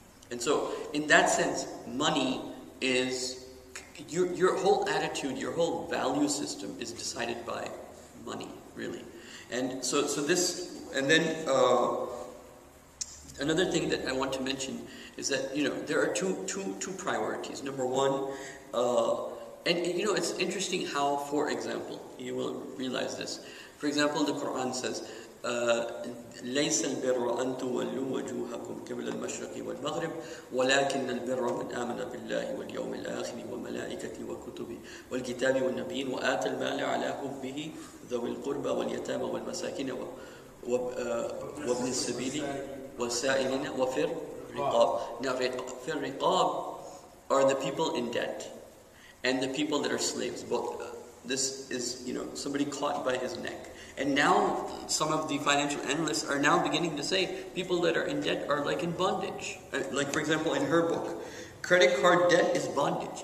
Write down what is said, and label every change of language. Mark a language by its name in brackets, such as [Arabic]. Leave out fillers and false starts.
[English] And so in that sense, money is, your whole attitude, your whole value system is decided by money, really. And so this, and then another thing that I want to mention is that, you know, there are two priorities. Number one, and you know, it's interesting how, for example, you will realize this. [Arabic] For example, the Quran says, لَيْسَ الْبِرَّ أَن تُوَلُّوا وَجُوهَكُمْ قِبْلَ الْمَشْرِقِ وَالْمَغْرِبِ وَلَكِنَّ الْبِرَّ مَنْ آمَنَ بِاللَّهِ وَالْيَوْمِ الْآخِرِ وَمَلَائِكَتِهِ وَكُتُبِهِ وَالْكِتَابِ وَالنَّبِيِّينَ وَآتَى الْمَالَ عَلَى حُبِّهِ ذَوِي الْقُرْبَى وَالْيَتَامَى وَالْمَسَاكِينَ وَابْنِ السَّبِيلِ وَالسَّائِلِينَ وَفِي الرِّقَابِ. [English] Now, في الرقاب are the people in debt and the people that are slaves. But this is, you know, somebody caught by his neck. And now some of the financial analysts are now beginning to say people that are in debt are like in bondage. Like, for example, in her book, credit card debt is bondage.